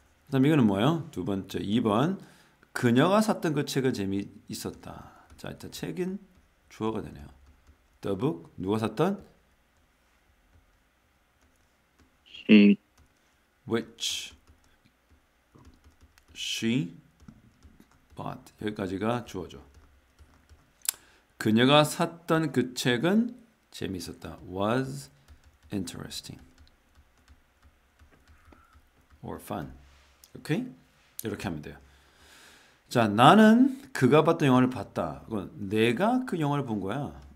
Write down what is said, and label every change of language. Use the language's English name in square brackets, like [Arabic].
[Korean] 다음 이거는 뭐예요? 두 번째, 2번. 그녀가 샀던 그 책은 재미있었다. 자, 일단 책은 주어가 되네요. [English] The book [Korean] 누가 샀던? [English] She Which she bought [Korean] 여기까지가 주어죠. 그녀가 샀던 그 책은 재미있었다. [English] Was interesting or fun. [Korean] 오케이? 이렇게 하면 돼요. 자, 나는 그가 봤던 영화를 봤다. 그건 내가 그 영화를 본 거야.